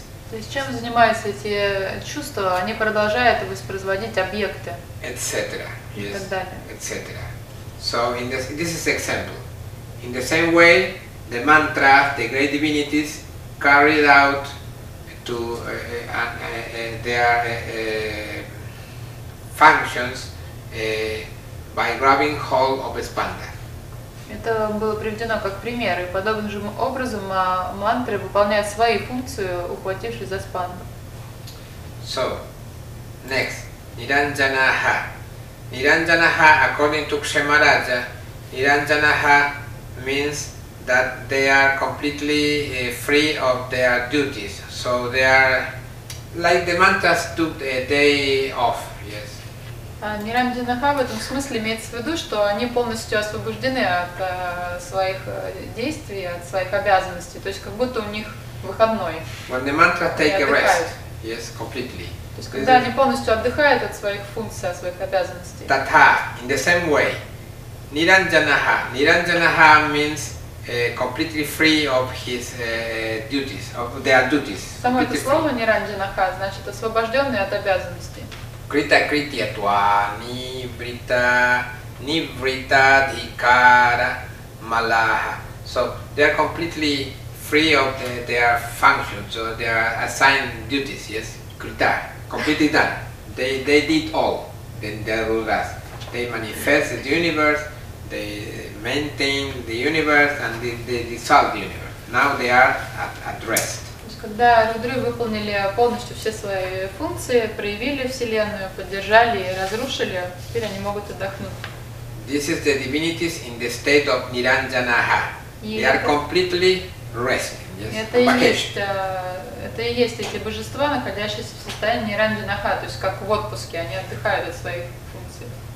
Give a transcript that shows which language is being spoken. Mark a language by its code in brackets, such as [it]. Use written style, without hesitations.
[ru] То есть чем занимаются эти чувства? Они продолжают воспроизводить объекты. [en] Etc. [ru] И так далее. [en] Etc. So in this is example. In the same way, the mantra, the great divinities carried out to their functions by grabbing hold of spanda. [ru] Это было приведено как пример, и подобным же образом мантры выполняют свои функции, ухватившись за спанду. [en] So, next, Niranjanaha. Niranjanaha, according to Kshemaraja, Niranjanaha means that they are completely free of their duties. So they are like the mantras took a day off. [ru] Ниранджанаха в этом смысле имеется в виду, что они полностью освобождены от своих действий, от своих обязанностей, то есть как будто у них выходной. [en] When the mantra take a rest, yes, completely. [ru] То есть когда они полностью отдыхают от своих функций, от своих обязанностей. [en] Татха, in the same way, Ниранджанаха. Ниранджанаха means completely free of his duties, of their duties. [ru] Само это слово Ниранджанаха значит освобожденный от обязанностей. [sa] Krita kritya tva nivrita nivrita dhikara malaha. [en] So they are completely free of their functions, so they are assigned duties, yes? Krita, completely done. They did all in their rulers. They manifest the universe, they maintain the universe, and they dissolve the universe. Now they are at rest. [ru] Когда рудры выполнили полностью все свои функции, проявили Вселенную, поддержали и разрушили, теперь они могут отдохнуть. [en] This is the divinities in the state of Niranjanaha. They are completely resting. Yes. [ru] Это и есть эти божества, находящиеся в состоянии Ниранджанаха, то есть как в отпуске, они отдыхают от своих функций.